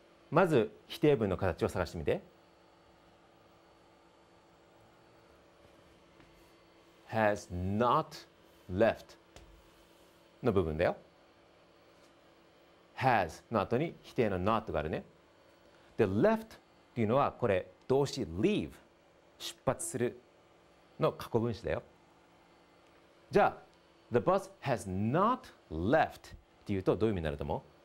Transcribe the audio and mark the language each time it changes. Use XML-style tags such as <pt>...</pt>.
<ja>まず否定文の形を探してみて。</ja> <en>Has not left</en> <ja>の部分だよ。 Has の後に否定の not があるね。で left っていうのはこれ動詞 leave 出発するの過去分詞だよ。じゃあ</ja> <en>The bus has not left</en> <ja>って言うとどういう意味になると思う？</ja>